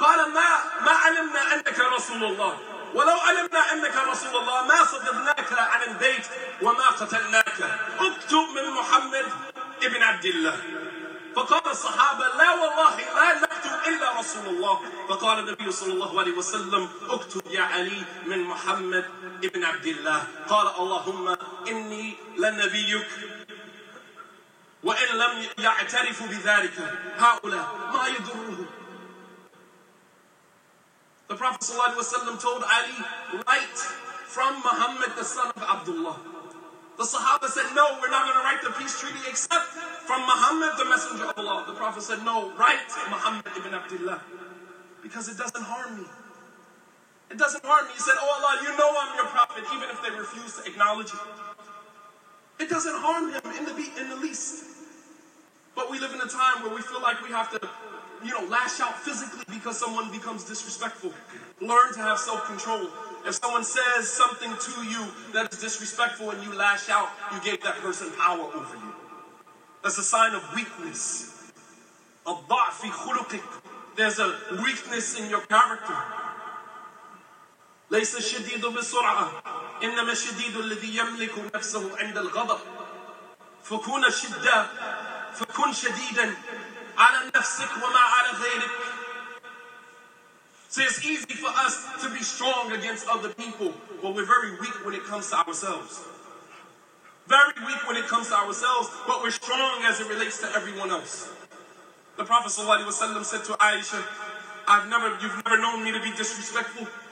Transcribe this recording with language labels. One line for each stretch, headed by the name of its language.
Arabic: قال ما علمنا أنك رسول الله ولو علمنا أنك رسول الله ما صددناك عن البيت وما قتلناك اكتب من محمد ابن عبد الله فقال الصحابة لا والله لا نكتب إلا رسول الله فقال النبي صلى الله عليه وسلم اكتب يا علي من محمد ابن عبد الله قال اللهم إني لنبيك وإن لم يعترف بذلك هؤلاء ما يضره
English: The Prophet صلى الله عليه وسلم told Ali, write from Muhammad the son of Abdullah. The Sahaba said, no, we're not going to write the peace treaty except from Muhammad the messenger of Allah. The Prophet said, no, write Muhammad ibn Abdullah because it doesn't harm me. It doesn't harm me. He said, oh Allah, you know I'm your prophet even if they refuse to acknowledge it. It doesn't harm him in the least. But we live in a time where we feel like we have to lash out physically because someone becomes disrespectful. Learn to have self-control. If someone says something to you that is disrespectful and you lash out, you gave that person power over you. That's a sign of weakness. There's a weakness in your character.
Arabic: ليس الشديد بسرعة إنما الشديد الذي يملك نفسه عند الغضب فكون شدة فكون شديدا على نفسك وما على غيرك.
English: So it's easy for us to be strong against other people, but we're very weak when it comes to ourselves. Very weak when it comes to ourselves, but we're strong as it relates to everyone else. The Prophet صلى الله عليه وسلم said to Aisha, you've never known me to be disrespectful.